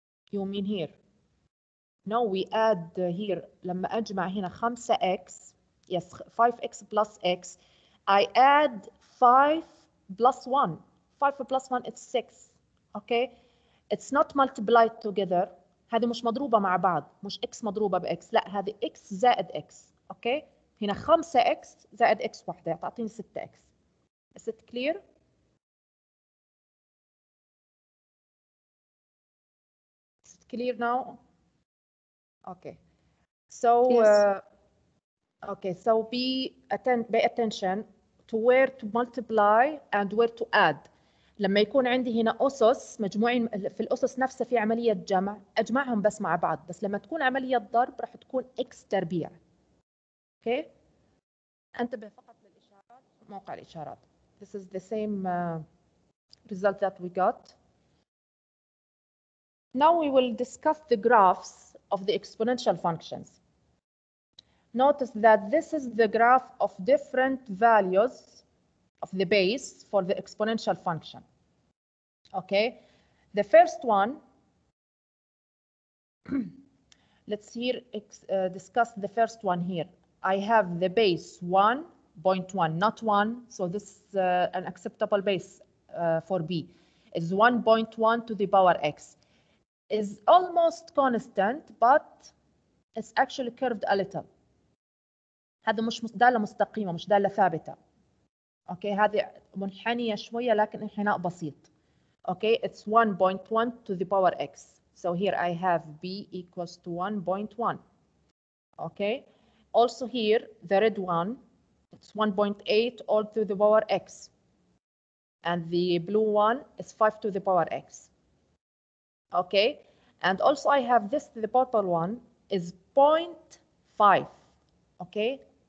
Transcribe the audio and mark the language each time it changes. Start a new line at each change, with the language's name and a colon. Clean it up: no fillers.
English: You mean here? No, we add here,
Arabic: لما أجمع هنا
English: 5x, yes, 5x plus x, I add 5 plus 1. 5 plus 1 is 6, okay? It's not multiplied together.
Arabic: هذه مش مضروبة مع بعض, مش x مضروبة بx, لا, هذه x زائد x, okay? هنا 5x زائد x واحدة, تعطيني 6x.
English: Is it clear? Clear now? Okay. So, yes. Okay. So pay attention to where to multiply and where to add.
Arabic: لما يكون عندي هنا أسس مجموعين في الأسس نفسها في عملية جمع أجمعهم بس مع بعض. بس لما تكون عملية ضرب راح تكون X تربيع.
English: Okay.
Arabic: انتبه فقط للإشارات موقع الإشارات.
English: This is the same result that we got. Now we will discuss the graphs of the exponential functions. Notice that this is the graph of different values of the base for the exponential function. Okay, the first one, let's here discuss the first one here. I have the base 1.1, not 1, so this is an acceptable base for B. It's 1.1 to the power x. Is almost constant, but it's actually curved a little.
Arabic: هذا مش دالة مستقيمة, مش دالة ثابتة. Okay, هذه منحنية شوية, لكن انحناء بسيط.
English: Okay, it's 1.1 to the power x. So here I have b equals to 1.1. Okay, also here, the red one, it's 1.8 all to the power x. And the blue one is 5 to the power x. Okay, and also I have this, the purple one, is 0.5, okay?